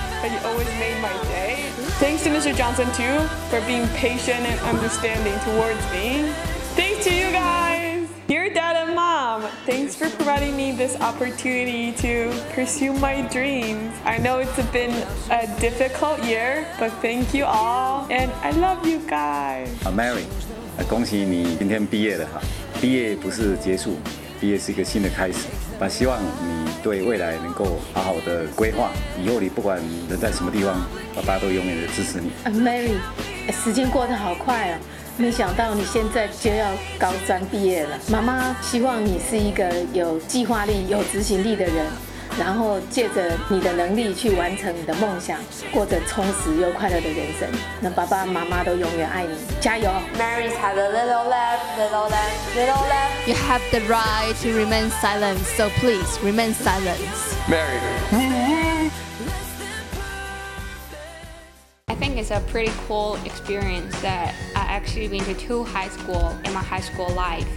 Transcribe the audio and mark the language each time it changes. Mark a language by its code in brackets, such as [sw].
[en] But you always made my day. Thanks to Mr. Johnson too for being patient and understanding towards me. Thanks to you guys! Dear Dad and Mom, thanks for providing providing me this opportunity to pursue my dreams. I know it's been a difficult year, but thank you all, and I love you guys. [zh] Mary, 恭喜你今天毕业了哈！毕业不是结束，毕业是一个新的开始。那希望你对未来能够好好的规划，以后你不管人在什么地方，爸爸都永远的支持你。 Mary, 时间过得好快啊！没想到你现在就要高三毕业了。妈妈希望你是一个有计划力、有执行力的人，然后借着你的能力去完成你的梦想，过着充实又快乐的人生。那爸爸妈妈都永远爱你，加油 [en] ！Mary's have a little laugh, little laugh, little laugh. You have the right to remain silent, so please remain silent. Mary. I think it's a pretty cool experience that. Actually been to two high school in my high school life.